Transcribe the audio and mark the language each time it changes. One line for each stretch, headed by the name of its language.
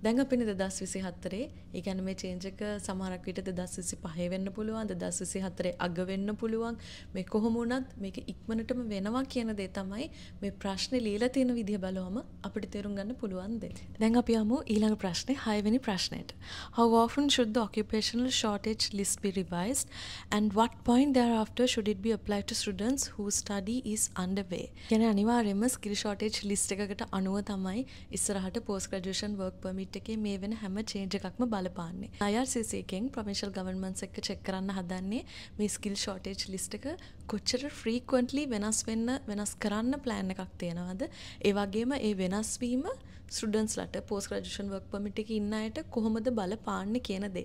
Sinhala: දැන් අපි 2024, ඒ කියන්නේ මේ චේන්ජ් එක සමහරක් විට 2025 වෙන්න පුළුවන්, 2024 අග වෙන්න පුළුවන්. මේ කොහොම වුණත් මේක ඉක්මනටම වෙනවා කියන දේ තමයි මේ ප්‍රශ්නේ ලියලා තියෙන විදිහ බලවම අපිට තේරුම් ගන්න පුළුවන් දේ. දැන් අපි යමු ඊළඟ ප්‍රශ්නේ, 6 ප්‍රශ්නයට.
English: How often should the occupational shortage list be revised and what point thereafter should it be applied to students whose study is underway?
Sinhala: කියන්නේ අනිවාර්යයෙන්ම skill shortage ලිස්ට් එකකට අනුව තමයි ඉස්සරහට පෝස්ට් ග්‍රැජුවේෂන් වර්ක් පර්මිට් එකේ මේ වෙන හැම චේන්ජ් එකක්ම බලපාන්නේ. IRRC එකෙන් ප්‍රොවින්ෂල් ගවර්න්මන්ට්ස් එක චෙක් කරන්න හදන්නේ මේ ස්කිල් ෂෝටේජ් ලිස්ට් එක කොච්චර ෆ්‍රීක්වෙන්ට්ලි වෙනස් වෙන්න, වෙනස් කරන්න ප්ලෑන් එකක් තියෙනවද, ඒ වගේම ඒ වෙනස් වීම ස්ටුඩන්ට්ස්ලට පෝස්ට් ග්‍රැජුවේෂන් වර්ක් පර්මිට් එකේ ඉන්න අයට කොහොමද බලපාන්නේ කියන දේ.